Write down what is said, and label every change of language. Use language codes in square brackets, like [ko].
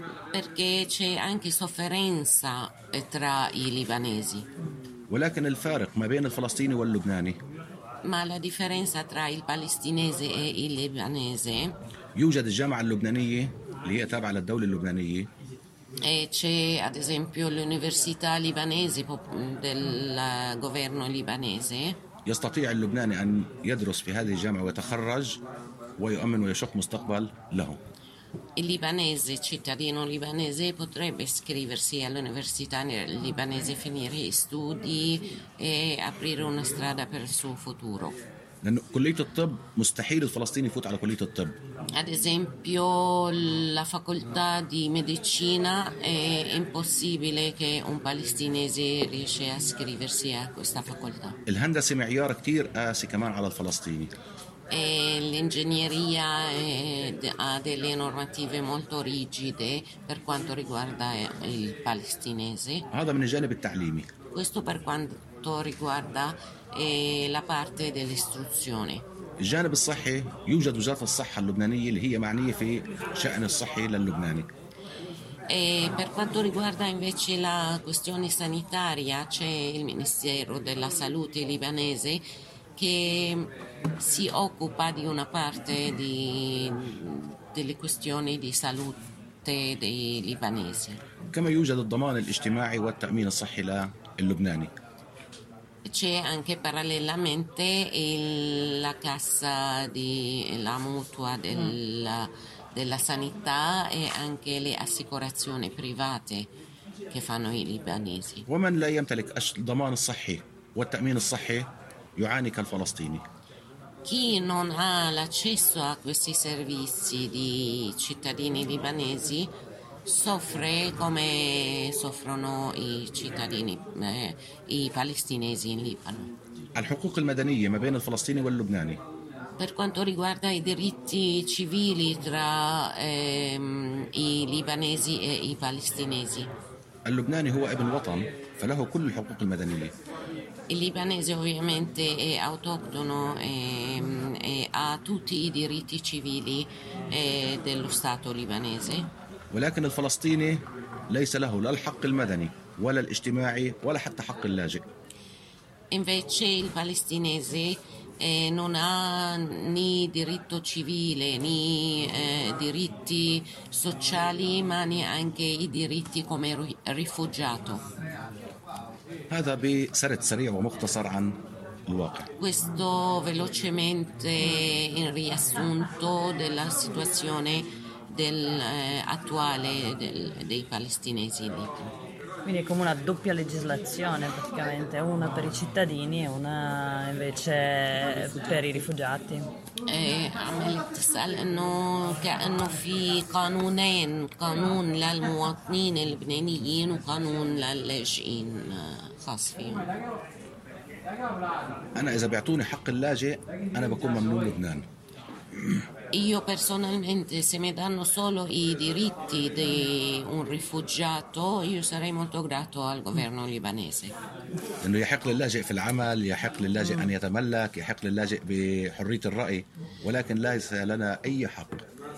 [it] Perché c'è anche sofferenza tra i libanesi. [ar] ولكن الفارق ما بين الفلسطيني واللبناني. [it] Ma la differenza tra il palestinese e il libanese. [ar] يوجد الجامعة اللبنانية اللي هي تابعة للدولة اللبنانية. [it] E c'è ad esempio l'università libanese del governo libanese. [ar] يستطيع اللبناني أن يدرس في هذه الجامعة ويتخرج ويؤمن ويشق مستقبل له. [it] il libanese, cittadino libanese, potrebbe iscriversi all'università libanese, finire gli studi e aprire una strada per il suo futuro. [ar] لأنه كلية الطب مستحيل الفلسطيني يفوت على كلية الطب. [it] Ad esempio la facoltà di medicina è impossibile che un palestinese riesca a iscriversi a questa facoltà. [ar] الهندسة معيار كتير قاسي كمان على الفلسطيني. [it] E l'ingegneria ha delle normative molto rigide per quanto riguarda il palestinese. [ar] هذا من الجانب التعليمي. [it] Questo per quanto riguarda la parte dell'istruzione. [ar] Il جانب الصحي يوجد وزارة الصحة اللبنانية اللي هي معنية في شأن الصحي لللبناني. [it] E per quanto riguarda invece la questione sanitaria c'è il Ministero della Salute libanese che si occupa di una parte di delle questioni di salute dei libanesi. [ar] كما يوجد الضمان الاجتماعي والتأمين الصحي لللبناني. [it] C'è anche parallelamente la cassa di la mutua della sanità e anche le assicurazioni private che fanno i libanesi. [ar] ومن لا يمتلك الضمان الصحي والتأمين الصحي يعاني كالفلسطيني. [it] Chi non ha l'accesso a questi servizi di cittadini libanesi soffre come soffrono i cittadini i palestinesi in Libano. [ar] الحقوق المدنية ما بين الفلسطيني واللبناني. [it] Per quanto riguarda i diritti civili tra i libanesi e i palestinesi. [ar] اللبناني هو ابن وطن فله كل الحقوق المدنية. [it] Il libanese ovviamente è autoctono e ha tutti i diritti civili dello Stato libanese. [ar] ولكن الفلسطيني ليس له لا الحق المدني ولا الاجتماعي ولا حتى حق اللاجئ. [it] Invece il palestinese non ha né diritto civile né diritti sociali ma neanche i diritti come rifugiato. [ar] هذا بسرد سريع ومختصر عن الواقع. [it] Questo velocemente in riassunto della situazione attuale dei palestinesi lì. Quindi è come una doppia legislazione praticamente, una per i cittadini e una invece per i rifugiati. [ar] عملت سألنه كأنه في قانونين، قانون للمواطنين اللبنانيين وقانون للاجئين خاص فيهم. أنا إذا بيعطوني حق اللاجئ أنا بكون ممنون لبنان. [it] Io personalmente se mi danno solo i diritti di un rifugiato io sarei molto grato al governo libanese. [ar] لأنه يحق للاجئ في العمل، يحق للاجئ أن يتملك، يحق للاجئ بحرية الرأي، ولكن ليس لنا أي حق.